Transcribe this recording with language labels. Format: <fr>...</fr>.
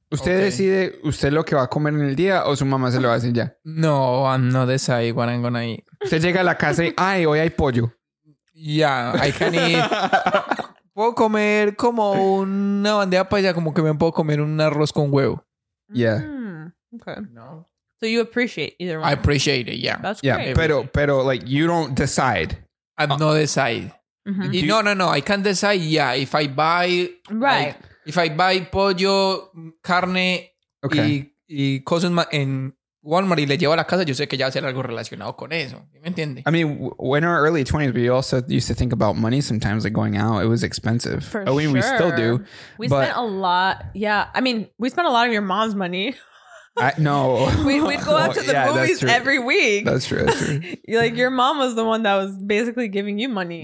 <es>¿Usted decide usted lo que va a comer en el día o su mamá se lo va a decir ya?</es> <en>No, I'm not deciding what I'm going to eat.</en> <es>Usted llega a la casa y, ay, hoy hay pollo.</es> <en>Yeah, I can eat.</en> <es>Puedo comer como una bandeja paisa, como que me puedo comer un arroz con huevo.</es> <en>Yeah. Okay. No. So you appreciate either one. I appreciate it, yeah. That's great. Yeah, pero like, you don't decide. I'm not decide. Mm-hmm. No, I can't decide, yeah, if I buy... Right. Like, if I buy pollo, carne okay.</en> <es>y cosas en Walmart y le llevo a la casa, yo sé que ya va a ser algo relacionado con eso. ¿Me entiende?</es> <en>I mean, when our early 20s, we also used to think about money sometimes, like going out. It was expensive. For sure. I mean, sure. We still do. We spent a lot. Yeah. I mean, we spent a lot of your mom's money. No. We'd go out to the movies every week. That's true. Like, your mom was the one that was basically giving you money.</en>